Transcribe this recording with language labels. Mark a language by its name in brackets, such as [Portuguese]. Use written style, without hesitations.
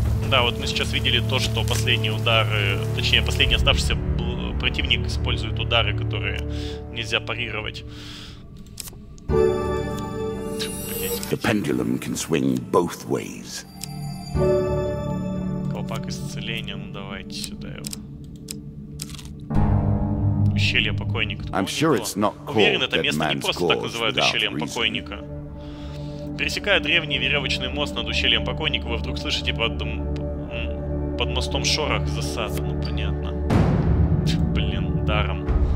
[Russian] Да, вот мы сейчас видели то, что последние удары, точнее, последний оставшийся противник использует удары, которые нельзя парировать. [English] The pendulum can swing both ways. [Russian] Колпак исцеления, ну давайте сюда его. Ущелье покойника. [English] I'm sure it's not called [Russian] уверен, это место не просто так называют ущельем покойника. Пересекая древний веревочный мост над ущельем покойника, вы вдруг слышите под мостом шорох засады, ну понятно. Блин, даром.